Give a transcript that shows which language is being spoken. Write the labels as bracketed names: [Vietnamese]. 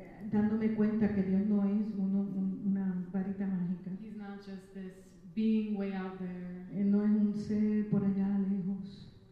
[Spanish] dándome cuenta que Dios no es una varita mágica. [English] He's not just this being way out there. [Spanish] Él no es un ser por allá lejos.